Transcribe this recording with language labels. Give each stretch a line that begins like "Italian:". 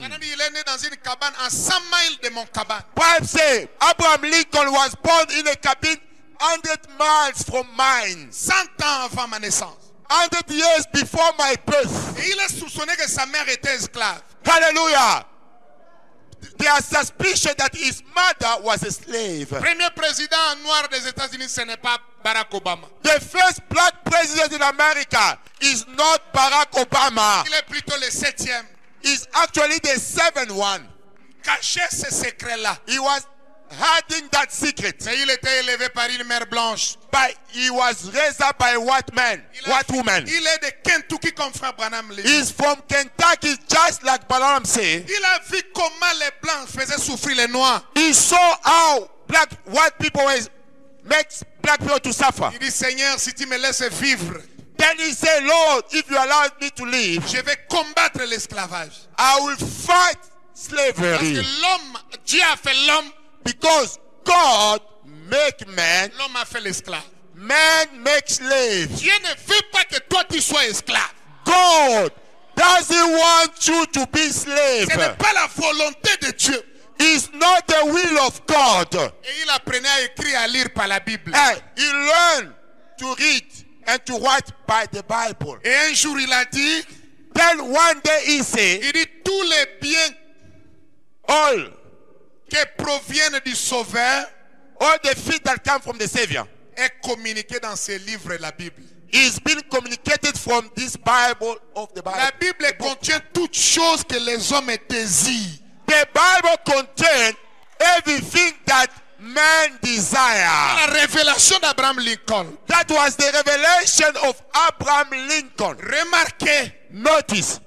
French: Il est né dans une cabane à 100 miles de mon cabane.
English: Bible say Abraham Lincoln was born in a cabin 100 miles from mine.
French: 100 ans avant ma naissance.
English: 100 years before my birth.
French: Et il est soupçonné que sa mère était esclave.
English: Hallelujah. There are suspicions that his mother was a slave.
French: Premier président noir des États-Unis, ce n'est pas Barack Obama.
English: The first black president in America is not Barack Obama.
French: Il est plutôt le septième.
English: He's actually the seventh one.
French: Caché ce secret là.
English: He was hiding that secret.
French: Mais il était élevé par une mère blanche.
English: But he was raised up by a white man, white woman.
French: Il est de Kentucky comme Frère Branham.
English: He's from Kentucky, just like Branham said.
French: Il a vu comment les blancs faisaient souffrir les noirs.
English: He saw how black white people makes black people to suffer.
French: Il dit, Seigneur, si tu me laisses vivre.
English: Then he said, Lord, if you allow me to live,
French: je vais combattre l'esclavage.
English: I will fight slavery.
French: Parce que l'homme, Dieu a fait l'homme.
English: Because God make man,
French: l'homme a fait l'esclave.
English: Man makes slave.
French: Dieu ne veut pas que toi tu sois esclave.
English: God doesn't want you to be slave.
French: Ce n'est pas la volonté de Dieu.
English: It's not the will of God.
French: Et il apprenait à écrire, à lire par la Bible.
English: And he learned to read and to write by the Bible.
French: Et un jour il a dit,
English: then one day he said,
French: il dit tous les biens,
English: all
French: que proviennent du Sauveur,
English: All the things that come from the Savior
French: est communiqué dans ces livres de la Bible.
English: Is being communicated from this Bible of the Bible.
French: La Bible contient toutes choses que les hommes désirent.
English: The Bible contains everything that man desire.
French: La révélation d'Abraham Lincoln.
English: That was the revelation of Abraham Lincoln.
French: Remarquez,
English: notice,